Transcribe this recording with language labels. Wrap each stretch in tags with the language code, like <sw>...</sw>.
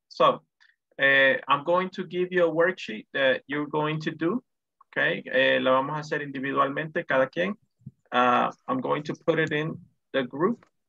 <en>So I'm going to give you a worksheet that you're going to do.</en> <es>Okay, la vamos a hacer individualmente cada quien.</es> <en>I'm going to put it in the group.</en>